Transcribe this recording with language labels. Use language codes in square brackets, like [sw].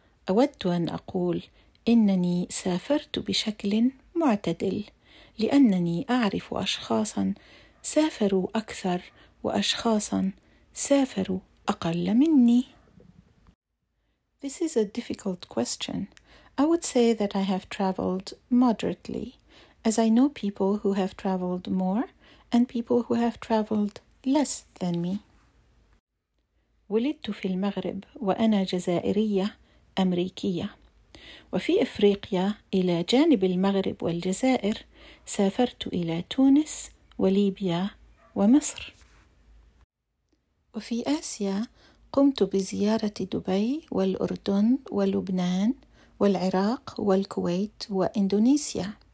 [ar] أود أن أقول إنني سافرت بشكل معتدل، لأنني أعرف أشخاصا سافروا أكثر وأشخاصا سافروا أقل مني. [en] This is a difficult question. I would say that I have traveled moderately, as I know people who have traveled more and people who have traveled less than me. [ar] ولدت في المغرب وأنا جزائرية أمريكية، وفي أفريقيا إلى جانب المغرب والجزائر سافرت إلى تونس وليبيا ومصر. وفي آسيا قمت بزيارة دبي والأردن ولبنان والعراق والكويت وإندونيسيا.